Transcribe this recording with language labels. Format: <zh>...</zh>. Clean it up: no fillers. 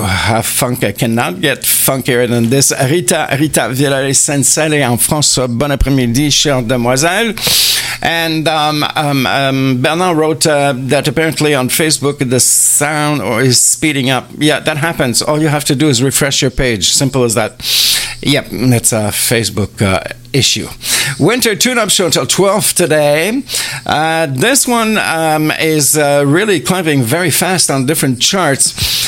<en>I cannot get funkier than this.</en> <fr>Rita Villare-Sensele en France. Bon après-midi, chère demoiselle.</fr> <en>And Bernard wrote that apparently on Facebook the sound is speeding up. Yeah, that happens. All you have to do is refresh your page. Simple as that. Yep, that's a Facebook issue. Winter tune-up show until 12 today. This one is really climbing very fast on different charts.</en>